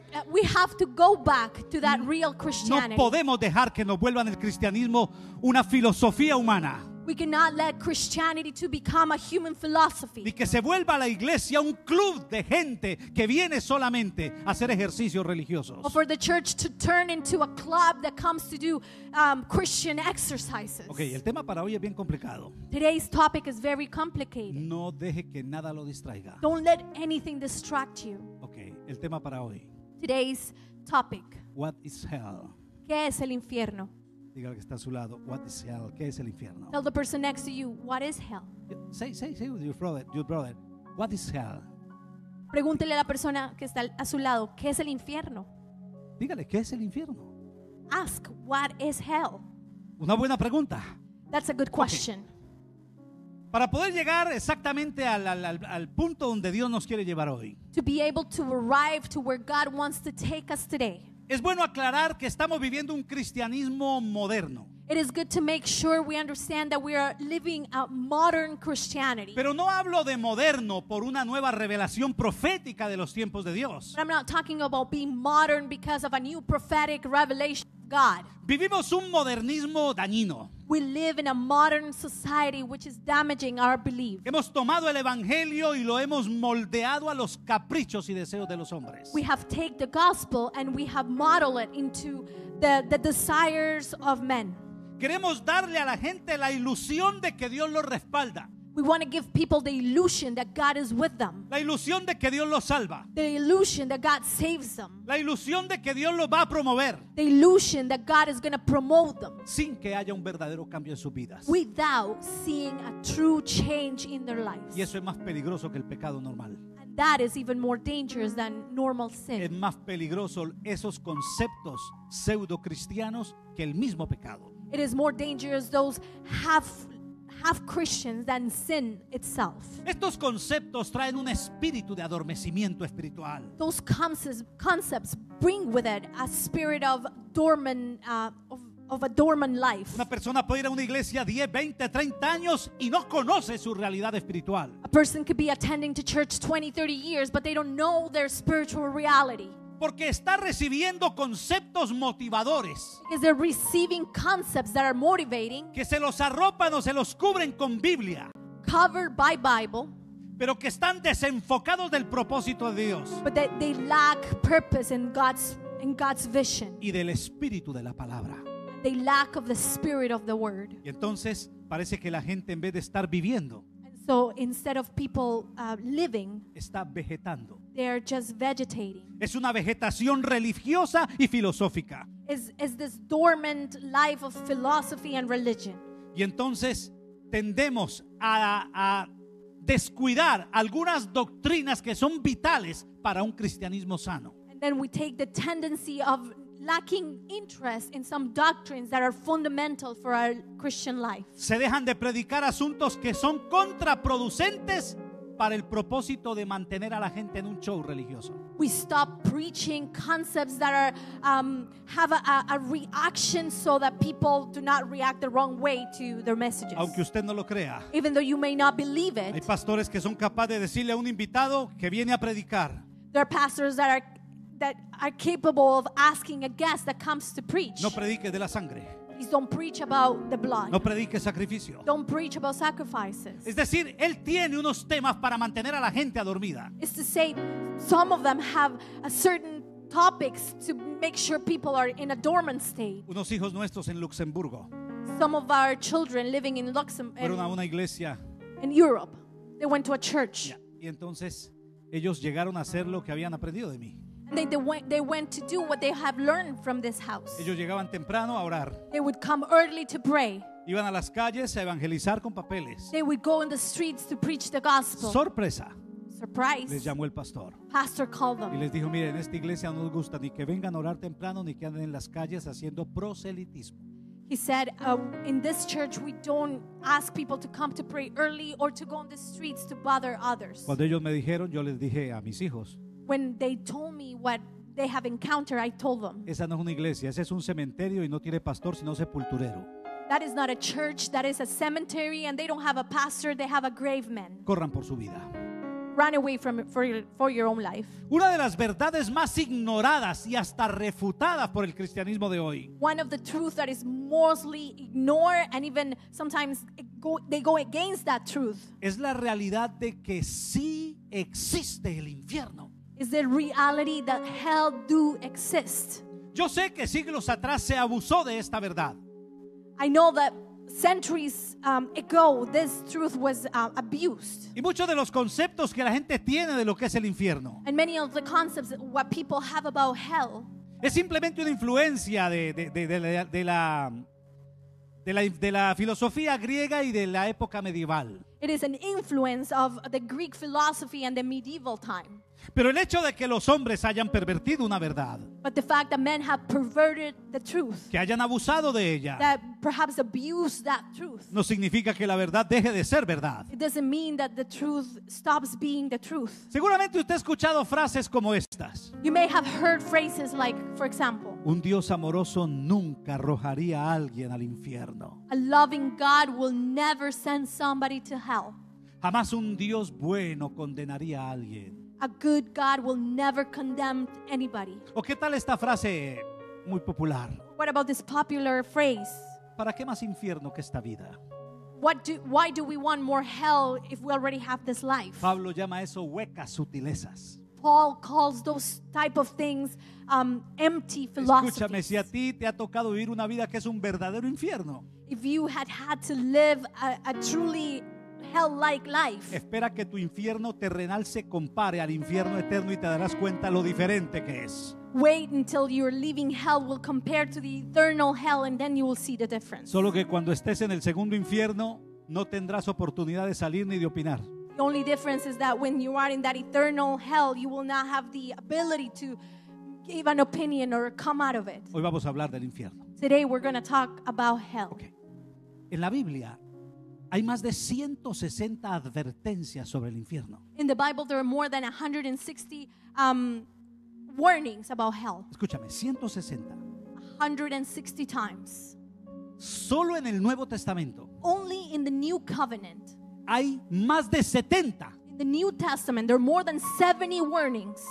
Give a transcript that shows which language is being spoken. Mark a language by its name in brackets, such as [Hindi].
[English] We have to go back to that real Christianity. [Spanish] No podemos dejar que nos vuelvan el cristianismo una filosofía humana. [English] We cannot let Christianity to become a human philosophy. [Spanish] Ni que se vuelva la iglesia un club de gente que viene solamente a hacer ejercicios religiosos. [English] Or for the church to turn into a club that comes to do Christian exercises. [Spanish] Okay, el tema para hoy es bien complicado. [English] Today's topic is very complicated. [Spanish] No deje que nada lo distraiga. [English] Don't let anything distract you. [Spanish] Okay, el tema para hoy. [English] Today's topic. What is hell? [Spanish] ¿Qué es el infierno? Diga al que está a su lado, [English] what is hell? [Spanish] ¿Qué es el infierno? [English] Tell the person next to you, what is hell? Say with your brother, what is hell? [Spanish] Pregúntele a la persona que está a su lado, ¿qué es el infierno? Dígale, ¿qué es el infierno? [English] Ask, what is hell? [Spanish] Una buena pregunta. [English] That's a good question. Okay. [Spanish] Para poder llegar exactamente al punto donde Dios nos quiere llevar hoy. [English] To be able to arrive to where God wants to take us today. [Spanish] Es bueno aclarar que estamos viviendo un cristianismo moderno. [English] It is good to make sure we understand that we are living a modern Christianity. [Spanish] Pero no hablo de moderno por una nueva revelación profética de los tiempos de Dios. [English] But I'm not talking about being modern because of a new prophetic revelation of God. [Spanish] Vivimos un modernismo dañino. [English] We live in a modern society which is damaging our belief. [Spanish] Hemos tomado el evangelio y lo hemos moldeado a los caprichos y deseos de los hombres. [English] We have taken the gospel and we have modeled it into the desires of men. [Spanish] Queremos darle a la gente la ilusión de que Dios los respalda. [English] We want to give people the illusion that God is with them. [Spanish] La ilusión de que Dios los salva. [English] The illusion that God saves them. [Spanish] La ilusión de que Dios los va a promover. [English] The illusion that God is going to promote them. [Spanish] Sin que haya un verdadero cambio en sus vidas. [English] Without seeing a true change in their lives. [Spanish] Y eso es más peligroso que el pecado normal. [English] And that is even more dangerous than normal sin. [Spanish] Es más peligroso esos conceptos pseudo cristianos que el mismo pecado. [English] It is more dangerous those half Christians than sin itself. [Spanish] Estos conceptos traen un espíritu de adormecimiento espiritual. [English] Those concepts bring with it a spirit of dormant of a dormant life. [Spanish] Una persona puede ir a una iglesia 10, 20, 30 años y no conoce su realidad espiritual. [English] A person could be attending to church 20, 30 years but they don't know their spiritual reality. [Spanish] Porque está recibiendo conceptos motivadores. [English] Because they're receiving concepts that are motivating. [Spanish] Que se los arropan o se los cubren con Biblia. [English] Covered by Bible. [Spanish] Pero que están desenfocados del propósito de Dios. [English] But they lack purpose in God's vision. [Spanish] Y del espíritu de la palabra. [English] They lack of the spirit of the word. [Spanish] Y entonces parece que la gente en vez de estar viviendo. [English] And so instead of people living. [Spanish] Está vegetando. [English] They are just vegetating. [Spanish] Es una vegetación religiosa y filosófica. [English] Is this dormant life of philosophy and religion. [Spanish] Y entonces tendemos a descuidar algunas doctrinas que son vitales para un cristianismo sano. [English] And then we take the tendency of lacking interest in some doctrines that are fundamental for our Christian life. [Spanish] Se dejan de predicar asuntos que son contraproducentes para el propósito de mantener a la gente en un show religioso. [English] We stop preaching concepts that are have a reaction so that people do not react the wrong way to their messages. [Spanish] Aunque usted no lo crea. [English] Even though you may not believe it. [Spanish] Hay pastores que son capaces de decirle a un invitado que viene a predicar. [English] There are pastors that are capable of asking a guest that comes to preach. [Spanish] No predique de la sangre. [English] Don't preach about the blood. [Spanish] No predique sacrificio. [English] Don't preach about sacrifices. [Spanish] Es decir, él tiene unos temas para mantener a la gente adormida. [English] It's to say, some of them have a certain topics to make sure people are in a dormant state. [Spanish] Unos hijos nuestros en Luxemburgo. [English] Some of our children living in Luxembourg. [Spanish] Fueron a una iglesia. [English] In Europe, they went to a church. Yeah. [Spanish] Y entonces ellos llegaron a hacer lo que habían aprendido de mí. [English] They went to do what they have learned from this house. [Spanish] Ellos llegaban temprano a orar. [English] They would come early to pray. [Spanish] Iban a las calles a evangelizar con papeles. [English] They would go in the streets to preach the gospel. [Spanish] Sorpresa. [English] Surprise. [Spanish] Les llamó el pastor. [English] Pastor called them. [Spanish] Y les dijo, miren, en esta iglesia no nos gusta ni que vengan a orar temprano ni que anden en las calles haciendo proselitismo. [English] He said, in this church, we don't ask people to come to pray early or to go on the streets to bother others. [Spanish] Cuando ellos me dijeron, yo les dije a mis hijos, [English] when they told me what they have encountered, I told them, [Spanish] esa no es una iglesia, ese es un cementerio y no tiene pastor, sino sepulturero. [English] That is not a church, that is a cementerie, and they don't have a pastor, they have a grave man. [Spanish] Corran por su vida. [English] Run away for your own life. [Spanish] Una de las verdades más ignoradas y hasta refutadas por el cristianismo de hoy. [English] One of the truths that is mostly ignored and even sometimes they go against that truth. [Spanish] Es la realidad de que sí existe el infierno. [English] Is the reality that hell do exist. [Spanish] Yo sé que siglos atrás se abusó de esta verdad. [English] I know that centuries ago this truth was abused. [Spanish] Y muchos de los conceptos que la gente tiene de lo que es el infierno. [English] And many of the concepts what people have about hell. [Spanish] Es simplemente una influencia de la filosofía griega y de la época medieval. [English] It is an influence of the Greek philosophy and the medieval time. [Spanish] Pero el hecho de que los hombres hayan pervertido una verdad, [English] but the fact that men have perverted the truth, [Spanish] que hayan abusado de ella, [English] that perhaps abused that truth, [Spanish] no significa que la verdad deje de ser verdad. [English] It doesn't mean that the truth stops being the truth. [Spanish] Seguramente usted ha escuchado frases como estas. [English] You may have heard phrases like, for example, [Spanish] un Dios amoroso nunca arrojaría a alguien al infierno. [English] A loving God will never send somebody to hell. [Spanish] Jamás un Dios bueno condenaría a alguien. [English] A good God will never condemn anybody. [Spanish] ¿O qué tal esta frase muy popular? [English] What about this popular phrase? [Spanish] ¿Para qué más infierno que esta vida? [English] Why do we want more hell if we already have this life? [Spanish] Pablo llama eso huecas sutilezas. [English] Paul calls those type of things empty philosophies. [Spanish] Escúchame, si a ti te ha tocado vivir una vida que es un verdadero infierno. [English] If you had to live a truly hell-like life. [Spanish] Espera que tu infierno terrenal se compare al infierno eterno y te darás cuenta lo diferente que es. [English] Wait until your living hell will compare to the eternal hell and then you will see the difference. [Spanish] Solo que cuando estés en el segundo infierno no tendrás oportunidad de salir ni de opinar. [English] The only difference is that when you are in that eternal hell you will not have the ability to give an opinion or come out of it. [Spanish] Hoy vamos a hablar del infierno. [English] Today we're going to talk about hell. Okay. [Spanish] En la Biblia hay más de 160 advertencias sobre el infierno. [English] In the Bible there are more than 160 warnings about hell. [Spanish] Escúchame, 160. [English] 160 times. [Spanish] Solo en el Nuevo Testamento. [English] Only in the New Covenant. [Spanish] Hay más de 70. [English] In the New Testament there are more than 70 warnings.